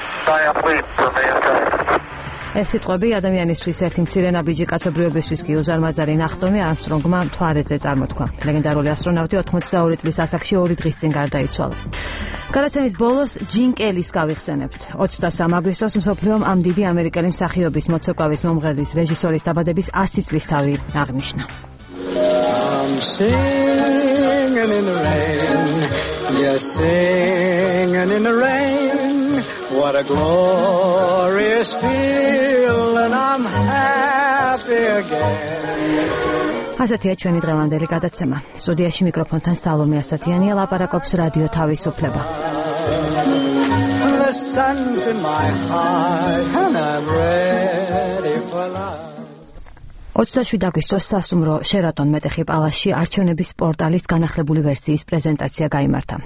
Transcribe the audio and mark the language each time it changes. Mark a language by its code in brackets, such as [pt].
[ka] ეს სიტყვები ადამიანისთვის ერთი მცირე ნაბიჯი, კაცობრიობისთვის კი უზარმაზარი ნახტომი არმსტრონგმა მთვარეზე წარმოთქვა. ლეგენდარული ასტრონავტი 82 წლის ასაკში ორი დღის წინ გარდაიცვალა. გადაცემის ბოლოს ჯინ კელის გავიხსენებთ. 23 აგვისტოს მსოფლიომ ამ დიდი ამერიკელი მსახიობის, მოცეკვავის, მომღერლის, რეჟისორის დაბადების 100 წლის თავი აღნიშნა. [en] I'm singing in the rain, just singing in the rain. What a glorious feeling, I'm happy again. [ka] ასათია ჩვენი დღევანდელი გადაცემა. სტუდიაში მიკროფონთან სალომე ასათიანია, ლაპარაკობს რადიო თავისუფლება. ოცდა შვიდ აგვისტოს სასტუმრო შერატონ მეტეხი პალაში არჩევნების პორტალის განახლებული ვერსიის პრეზენტაცია გაიმართა.